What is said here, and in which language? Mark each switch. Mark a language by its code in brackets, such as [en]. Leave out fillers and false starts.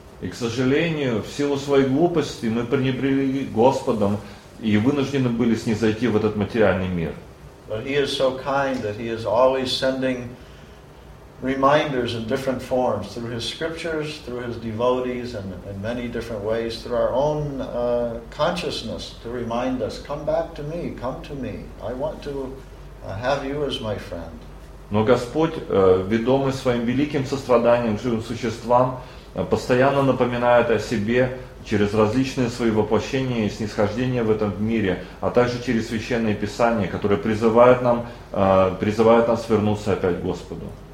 [ru] И, к сожалению, в силу своей глупости мы пренебрегли Господом и вынуждены были снизойти в этот материальный мир. [en] But He is so kind that He is always sending reminders in different forms through His scriptures, through His devotees, and in many different ways through our own consciousness to remind us, come back to me, come to me. I want to have you as my friend. [ru] Но Господь, ведомый своим великим состраданием к живым существам, постоянно напоминает о себе через различные свои воплощения и снисхождения в этом мире, а также через священные писания, которые призывают нас вернуться опять к Господу.